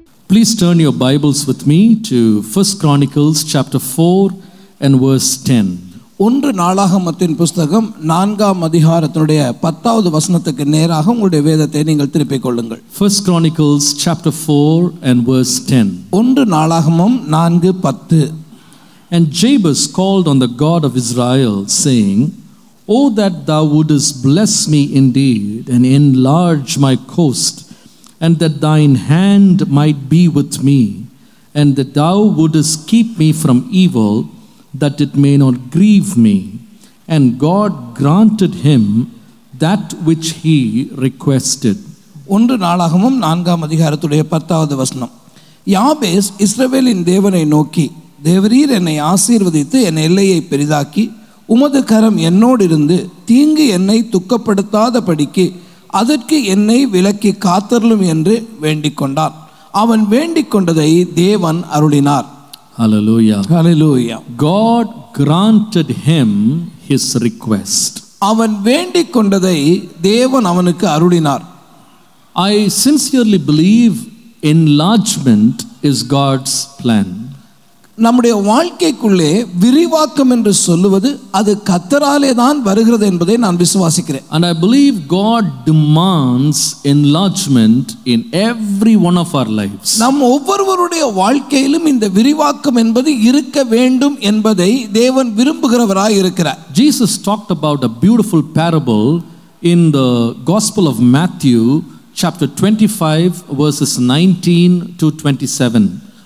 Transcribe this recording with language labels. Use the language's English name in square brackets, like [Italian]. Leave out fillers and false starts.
[English] Please turn your Bibles with me to 1 Chronicles chapter 4 and verse 10. [Tamil] ஒன்று நாளாகமத்தின் புஸ்தகம் நான்காம் அதிகாரத்தினுடைய 10வது வசனத்துக்கு நேராக உங்களுடைய வேதத்தை நீங்கள் திருப்பிக் கொள்ளுங்கள். [English] 1 Chronicles chapter 4 and verse 10. [Tamil] ஒன்று நாளாகமம் 4:10. [English] And Jabez called on the God of Israel saying, Oh that thou wouldest bless me indeed and enlarge my coast, and that thine hand might be with me, and that thou wouldest keep me from evil, that it may not grieve me. And God granted him that which he requested. [Tamil] ஒன்று நாளாகமும் நான்காம் அதிகாரத்துடைய 10வது வசனம். யாபேஸ் இஸ்ரவேலின் தேவனை நோக்கி, தேவரீர் என்னை ஆசீர்வதித்து என் எல்லையை பெரிதாக்கி உமது கரம் என்னோடு இருந்து தீங்கு என்னை துக்கப்படுத்தாத படிக்கு அதற்கு என்னை விலக்கி காத்தரலும் என்று வேண்டிக் கொண்டான். அவன் வேண்டிக் கொண்டதை தேவன் அருளினார். [English] Hallelujah. Hallelujah. God granted him his request. [Tamil] அவன் வேண்டிக் கொண்டதை தேவன் அவனுக்கு அருளினார். [English] I sincerely believe enlargement is God's plan. [Tamil] நம்முடைய வாழ்க்கைக்குள்ளே விரிவாக்கம் என்று சொல்லுவது அது கர்த்தராலே தான் வருகிறது என்பதை நான் விசுவாசிக்கிறேன். [English] And I believe God demands enlargement in every one of our lives. [Tamil] நம் ஒவ்வொருவருடைய வாழ்க்கையிலும் இந்த விரிவாக்கம் என்பது இருக்க வேண்டும் என்பதை தேவன் விரும்புகிறவராய் இருக்கிறார். [English] Jesus talked about a beautiful parable in the Gospel of Matthew chapter 25 verses 19 to 27.